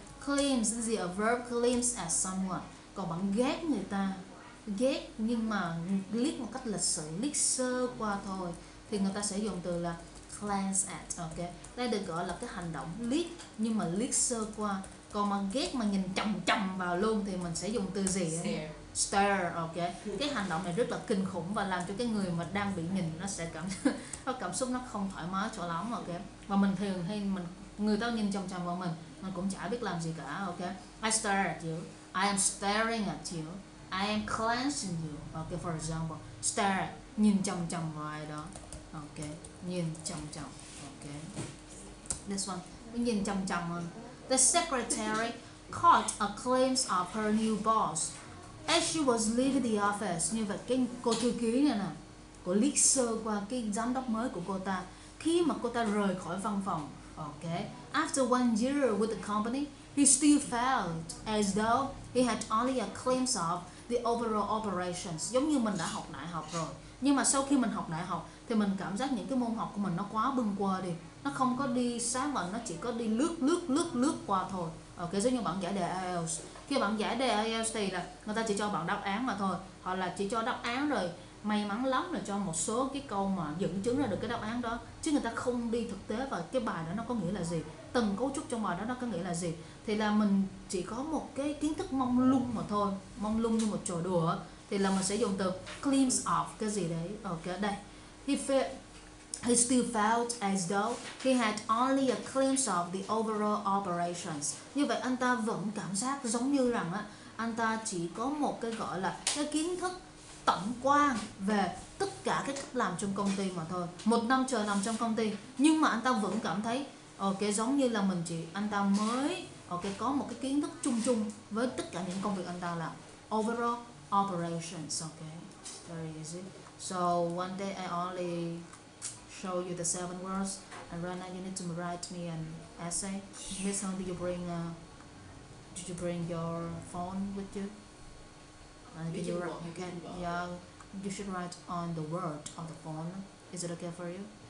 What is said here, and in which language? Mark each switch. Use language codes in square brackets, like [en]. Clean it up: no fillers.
[en] Cleanse, this is a verb, cleanse at someone. [vi] Còn bạn ghét người ta, ghét nhưng mà liếc một cách lịch sự, liếc sơ qua thôi, thì người ta sẽ dùng từ là glance at, ok. Đây được gọi là cái hành động liếc nhưng mà liếc sơ qua. Còn mà ghét mà nhìn chằm chằm vào luôn thì mình sẽ dùng từ gì? [en] Stare, ok. [vi] Cái hành động này rất là kinh khủng và làm cho cái người mà đang bị nhìn nó sẽ cảm xúc nó không thoải mái cho lắm, ok. Và mình thường hay mình người ta nhìn chằm chằm vào mình cũng chả biết làm gì cả, ok. [en] I stare at you. I am staring at you. I am glancing you, ok, for example, stare, [vi] nhìn chằm chằm vào ai đó, [en] ok, nhìn chằm chằm, ok, this one, [vi] nhìn chằm chằm hơn. [en] The secretary caught a glimpse of her new boss as she was leaving the office. [vi] Như vậy cái cô thư ký này nè, cô liếc sơ qua cái giám đốc mới của cô ta khi mà cô ta rời khỏi văn phòng. Okay. [en] After 1 year with the company, he still felt as though he had only a glimpse of the overall operations. [vi] Giống như mình đã học đại học rồi, nhưng mà sau khi mình học đại học thì mình cảm giác những cái môn học của mình nó quá bâng quơ đi, nó không có đi sát vào, nó chỉ có đi lướt qua thôi. Ok, giống như bạn giải đề IELTS. Khi bạn giải đề IELTS thì là người ta chỉ cho bạn đáp án mà thôi, hoặc là chỉ cho đáp án rồi may mắn lắm là cho một số cái câu mà dẫn chứng ra được cái đáp án đó, chứ người ta không đi thực tế vào cái bài đó nó có nghĩa là gì, từng cấu trúc trong bài đó nó có nghĩa là gì. Thì là mình chỉ có một cái kiến thức mông lung mà thôi, mông lung như một trò đùa. Thì là mình sẽ dùng từ glimpse of cái gì đấy. Ok, đây. [en] He still felt as though he had only a glimpse of the overall operations. [vi] Như vậy anh ta vẫn cảm giác giống như rằng á, anh ta chỉ có một cái gọi là cái kiến thức tổng quan về tất cả các cách làm trong công ty mà thôi. Một năm trời làm trong công ty, nhưng mà anh ta vẫn cảm thấy ok, giống như là mình chỉ, anh ta mới ok có một cái kiến thức chung chung với tất cả những công việc anh ta làm. [en] Overall operations, ok. Very easy. So one day I only show you the 7 words, and right now you need to write me an essay. Miss Hong, did you bring your phone with you? You should write on the word on the phone. Is it okay for you?